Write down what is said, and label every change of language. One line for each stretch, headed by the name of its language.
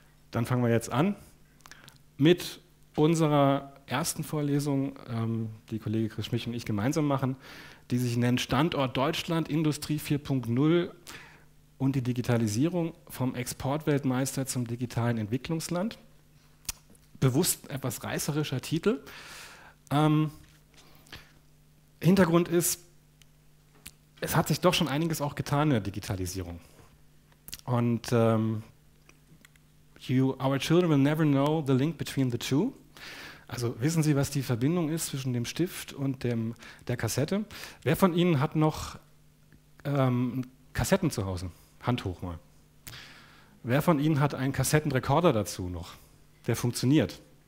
German: Dann fangen wir jetzt an mit unserer ersten Vorlesung, die Kollege Chris Schmich und ich gemeinsam machen, die sich nennt Standort Deutschland, Industrie 4.0 und die Digitalisierung vom Exportweltmeister zum digitalen Entwicklungsland. Bewusst etwas reißerischer Titel. Hintergrund ist, es hat sich doch schon einiges auch getan in der Digitalisierung. Und
English: our children will never know the link between the two.
German: Also wissen Sie, was die Verbindung ist zwischen dem Stift und der Kassette? Wer von Ihnen hat noch Kassetten zu Hause? Hand hoch mal. Wer von Ihnen hat einen Kassettenrekorder dazu noch, der funktioniert?